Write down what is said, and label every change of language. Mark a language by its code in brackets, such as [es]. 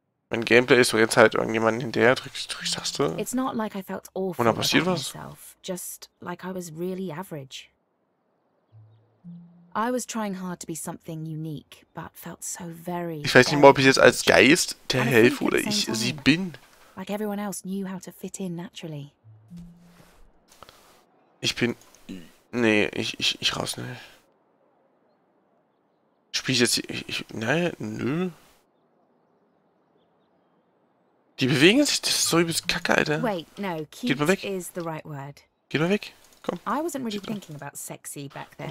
[de] Mein Gameplay ist so jetzt halt irgendjemanden hinterher, drückst Taste. [en] It's not like I felt awful. [de] Und da passiert was. [en] Just like I was really average. I was trying hard to be something unique, but felt so very. [de] Ich weiß nicht mal, ob ich jetzt als Geist der Helfer oder ich sie bin. [en] Like everyone else knew how to fit in naturally. [de] Ich bin. Nee, ich raus, ne. Spiel ich jetzt hier. Nö. Die bewegen sich, das ist so übelst kacke, Alter. [en] Wait, no, cute is the right word. [de] Geht mal weg. Komm. [en] I wasn't really thinking about sexy back then.